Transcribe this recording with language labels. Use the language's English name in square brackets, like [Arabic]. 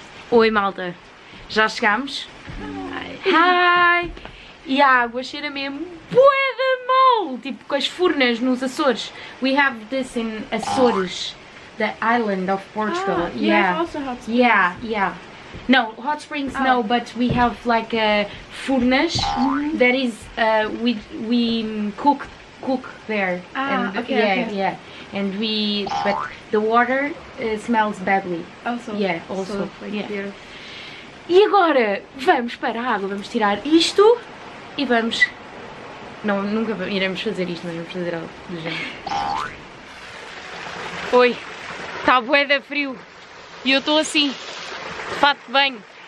[Portuguese] Oi, malta. Já chegámos? [English] Hi! [Portuguese] E a água cheira mesmo bué de mal, tipo com as furnas nos Açores. [English] We have this in Açores, the island of Portugal. Ah, yeah. Also hot springs. Yeah, yeah. No, hot springs, oh. No, but we have like a furnas, that is, we cook there. Ah, and, okay, yeah, okay. Yeah, and we, but the water smells badly. Also. Yeah, also. So, like, yeah. Here. [Portuguese] E agora, vamos para a água, vamos tirar isto e vamos... Não, nunca vamos, iremos fazer isto, mas vamos fazer algo do género. Oi, está bué de frio e eu estou assim, de fato de banho.